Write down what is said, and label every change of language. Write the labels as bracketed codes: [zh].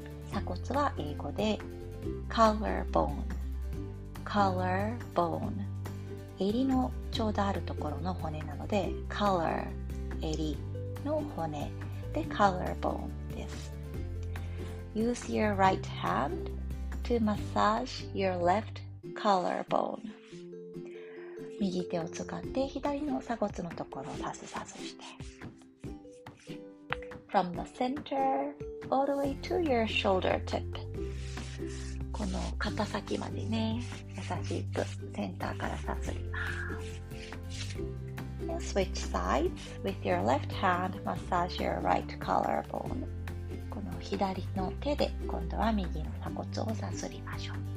[ja] 鎖骨は英語で collarbone、 collarbone、 襟のちょうどあるところの骨なので、 collar、 襟の骨で collarbone です。 [en] Use your right handTo massage your left collarbone. [ja] 右手を使って左の鎖骨のところをさすさすして。 [en] From the center all the way to your shoulder tip. [ja] この肩先までね、優しくセンターからさすります。 [en] And switch sides with your left hand, massage your right collarbone. [ja] 左の手で今度は右の鎖骨をさすりましょう。